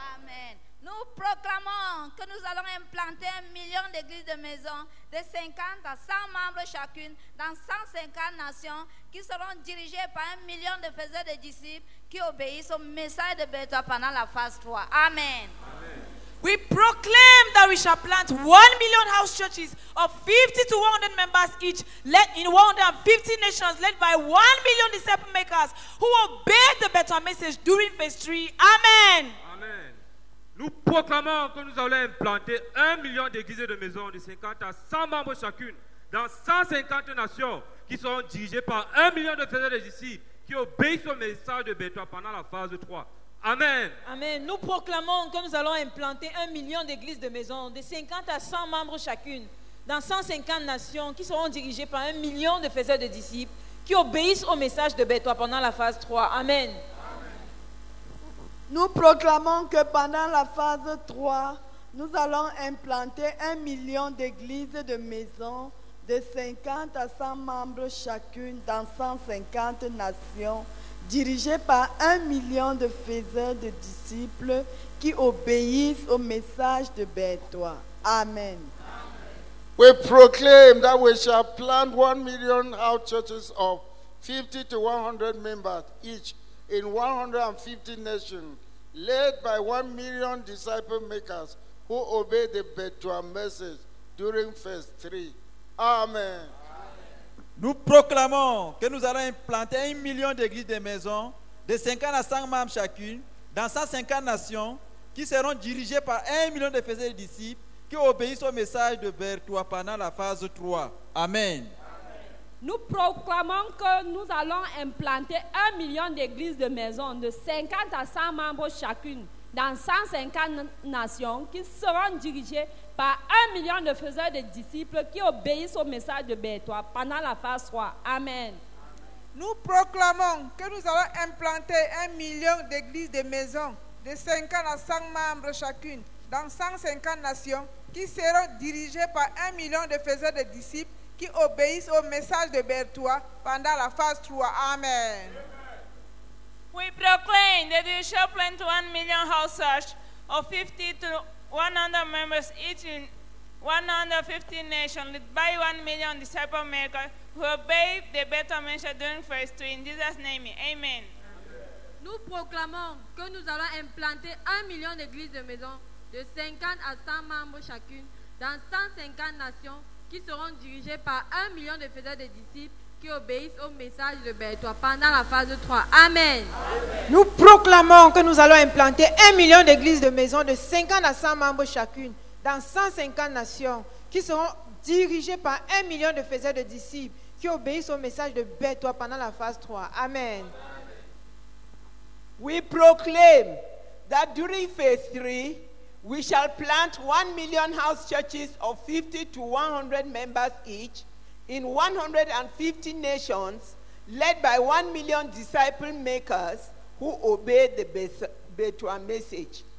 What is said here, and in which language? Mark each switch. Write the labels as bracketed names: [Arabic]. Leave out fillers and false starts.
[French] Amen. Nous proclamons que nous allons implanter 1 million d'églises, de maisons de 50 à 100 membres chacune dans 150 nations qui seront dirigées par 1 million de faiseurs de disciples qui obéissent au message de Béthoa pendant la phase 3. Amen. Amen. [English] We proclaim that we shall plant 1 million house churches of 50 to 100 members each in 150 nations, led by 1 million disciple makers who obey the Béthoa message during phase 3. Amen. Amen. [French] Nous proclamons que nous allons implanter 1 million d'églises, de maisons de 50 à 100 membres chacune dans 150 nations qui seront dirigées par 1 million de faiseurs de disciples qui obéissent au message de Bethoie pendant la phase 3. Amen. Amen. Nous proclamons que nous allons implanter 1 million d'églises de maisons, de 50 à 100 membres chacune, dans 150 nations qui seront dirigées par 1 million de faiseurs de disciples qui obéissent au message de Bethoie pendant la phase 3. Amen. Nous proclamons que pendant la phase 3, nous allons implanter 1 million d'églises de maisons de 50 à 100 membres chacune dans 150 nations dirigées par 1 million de faiseurs de disciples qui obéissent au message de Bethoie. Amen. [English] We proclaim that we shall plant 1 million house churches of 50 to 100 members each in 150 nations, led by 1 million disciple makers who obey the Bethoie message during phase 3. Amen. [French] Nous proclamons que nous allons implanter 1 million d'églises de maisons, de 50 à 100 membres chacune, dans 150 nations, qui seront dirigées par 1 million de faiseurs de disciples qui obéissent au message de Bethoie pendant la phase 3. Amen. Nous proclamons que nous allons implanter 1 million d'églises de maisons de 50 à 100 membres chacune dans 150 nations qui seront dirigées par 1 million de faiseurs de disciples qui obéissent au message de Bethoie pendant la phase 3. Amen. Nous proclamons que nous allons implanter 1 million d'églises de maisons de 50 à 100 membres chacune dans 150 nations qui seront dirigées par 1 million de faiseurs de disciples qui obéissent au message de Bethoie pendant la phase 3. Amen. [English] We proclaim that we shall plant 1 million house church of 50 to 100 members each in 150 nations, led by 1 million disciple makers who obey the Bethoie message during phase 3. In Jesus' name, amen. [French] Nous proclamons que nous allons implanter 1 million d'églises de maisons de 50 à 100 membres chacune dans 150 nations qui seront dirigés par 1 million de faiseurs de disciples qui obéissent au message de Bethoie pendant la phase 3. Amen. Amen. Nous proclamons que nous allons implanter 1 million d'églises de maisons de 50 à 100 membres chacune dans 150 nations qui seront dirigées par 1 million de faiseurs de disciples qui obéissent au message de Bethoie pendant la phase 3. Amen. [English] We proclaim that during phase 3, we shall plant 1 million house churches of 50 to 100 members each in 150 nations, led by 1 million disciple makers who obey the Bethoie message.